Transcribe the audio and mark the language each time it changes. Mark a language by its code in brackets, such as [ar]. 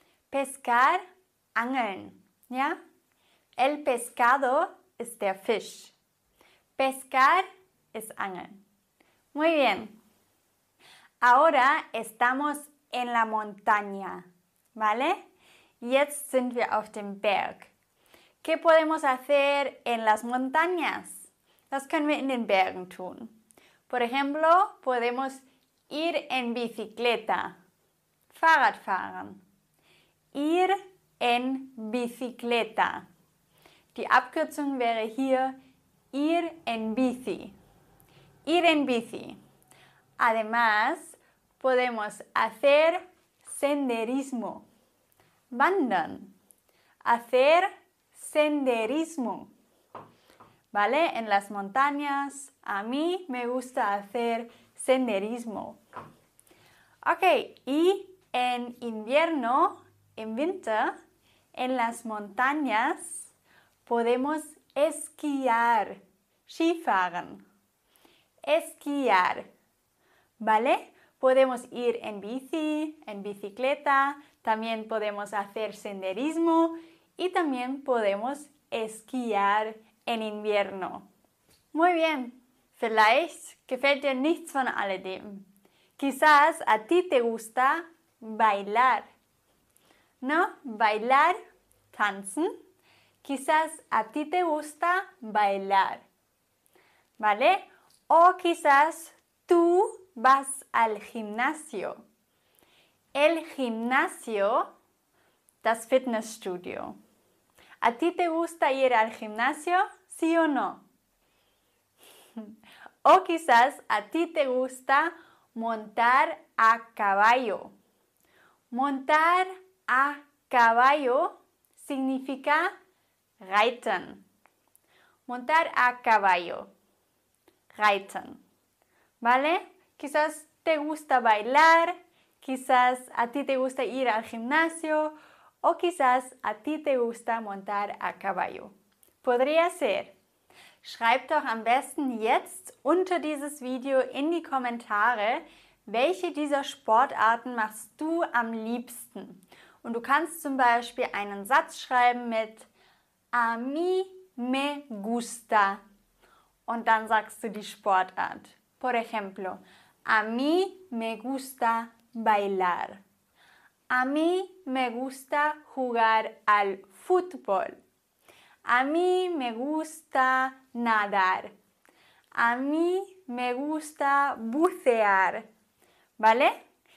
[es] Pescar, angeln, ¿ya? El pescado es [de] der Fisch. [es] Pescar es angeln. Muy bien. Ahora estamos en la montaña, ¿vale? [de] Jetzt sind wir auf dem Berg. [es] ¿Qué podemos hacer en las montañas? [de] Was können wir in den Bergen tun? [es] Por ejemplo, podemos ir en bicicleta. [de] Fahrrad fahren. [es] Ir en bicicleta. [de] Die Abkürzung wäre hier [es] ir en bici. Ir en bici. Además, podemos hacer senderismo. Wandern. Hacer senderismo. ¿Vale? En las montañas, a mí me gusta hacer senderismo. Ok, y en invierno, en winter, en las montañas, podemos esquiar, skifahren. Esquiar, ¿vale? Podemos ir en bici, en bicicleta, también podemos hacer senderismo y también podemos esquiar en invierno. Muy bien. [de] Vielleicht gefällt dir nichts von alledem. [es] Quizás a ti te gusta bailar. ¿No? Bailar, tanzen. Quizás a ti te gusta bailar. ¿Vale? O quizás tú vas al gimnasio. El gimnasio, [de] das Fitnessstudio. [es] ¿A ti te gusta ir al gimnasio? ¿Sí o no? O quizás a ti te gusta montar a caballo. Montar a caballo significa reiten. Montar a caballo. Reiten. ¿Vale? Quizás te gusta bailar, quizás a ti te gusta ir al gimnasio o quizás a ti te gusta montar a caballo. Podría ser. [de] Schreib doch am besten jetzt unter dieses Video in die Kommentare, welche dieser Sportarten machst du am liebsten. Und du kannst zum Beispiel einen Satz schreiben mit [es] A mí me gusta. [de] Und dann sagst du die Sportart. [es] Por ejemplo, a mí me gusta bailar. A mí me gusta jugar al fútbol. A mí me gusta nadar. A mí me gusta bucear. ¿Vale?